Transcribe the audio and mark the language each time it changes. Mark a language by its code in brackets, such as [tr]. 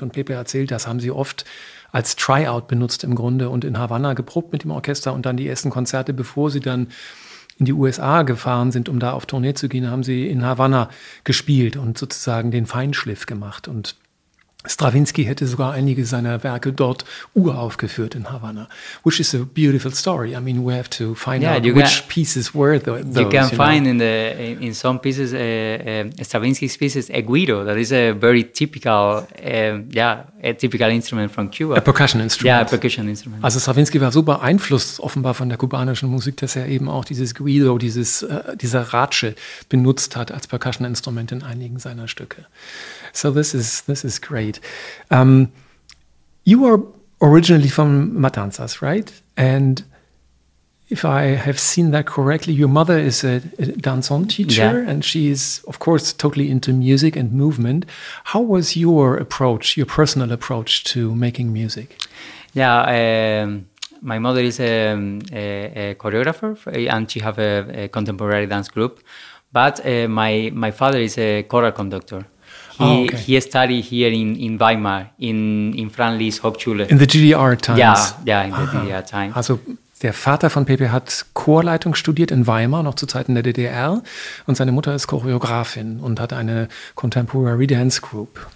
[de] Und Pepe erzählt, das haben sie oft als Tryout benutzt im Grunde und in Havanna geprobt mit dem Orchester und dann die ersten Konzerte, bevor sie dann in die USA gefahren sind, um da auf Tournee zu gehen, haben sie in Havanna gespielt und sozusagen den Feinschliff gemacht und Stravinsky hätte sogar einige seiner Werke dort uraufgeführt in Havana, [en] which is a beautiful story. I mean, we have to find out which pieces were those. You can find in some pieces, Stravinsky's pieces, a güiro, that is a very typical, a typical instrument from Cuba. A percussion instrument. Yeah, a percussion instrument. [de] Also Stravinsky war so beeinflusst offenbar von der kubanischen Musik, dass er eben auch dieses güiro, dieser Ratsche benutzt hat als percussion instrument in einigen seiner Stücke. [en] So this is great. You are originally from Matanzas, right? And if I have seen that correctly, your mother is a danzón teacher, yeah. And she is, of course, totally into music and movement. How was your approach, your personal approach to making music? Yeah, my mother is a choreographer, and she have a contemporary dance group. But my father is a choral conductor. He studied here in Weimar, in Franz Liszt Hochschule. In the GDR times. The GDR times. [de] Also der Vater von Pepe hat Chorleitung studiert in Weimar, noch zu Zeiten der DDR. Und seine Mutter ist Choreografin und hat eine Contemporary Dance Group.